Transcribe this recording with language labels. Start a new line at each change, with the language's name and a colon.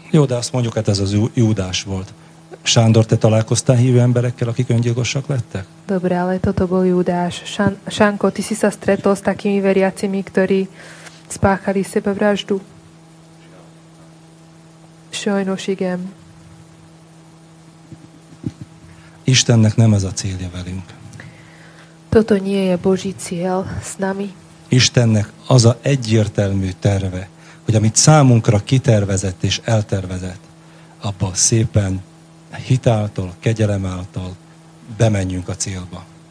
Hungarian: Jó, de azt mondjuk, hát ez az Júdás volt. Sándor, te találkoztál hívő emberekkel, akik öngyilkosak lettek?
Slovak: Dobre, ale toto bol Júdás. Sánko, ty si sa stretol s takými veriacimi, ktorí spáchali sebevraždu?
Hungarian: Sajnos, igen. Istennek nem ez a célja velünk.
Slovak: Toto nie je Boží cieľ s nami.
Hungarian: Istennek az a egyértelmű terve, hogy amit számunkra kitervezett és eltervezett, abba szépen hitáltól, kegyelemáltól bemenjünk a célba.